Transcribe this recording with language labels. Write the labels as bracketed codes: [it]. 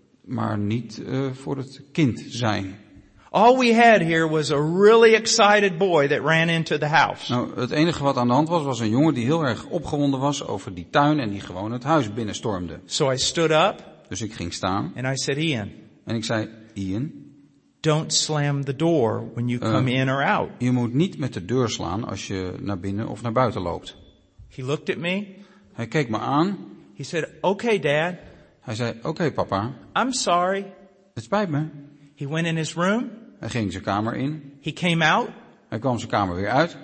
[nl] Maar niet voor het kind zijn. [en] All we had here was a really excited boy that ran into the house. [nl] Nou, het enige wat aan de hand was, was een jongen die heel erg opgewonden was over die tuin en die gewoon het huis binnenstormde. [en] So I stood up. [nl] Dus ik ging staan. [en] And I said, Ian. [nl] En ik zei, Ian. [en] Don't slam the door when you come in or out. [nl] Je moet niet met de deur slaan als je naar binnen of naar buiten loopt. [en] He looked at me. [nl] Hij keek me aan. [en] He said, "Okay, Dad." [nl] Hij zei, "Okay, papa." [en] I'm sorry. [nl] Het spijt me. [en] He went in his room. [nl] Hij ging zijn kamer in. [en] He came out. [nl] Hij kwam zijn kamer weer uit.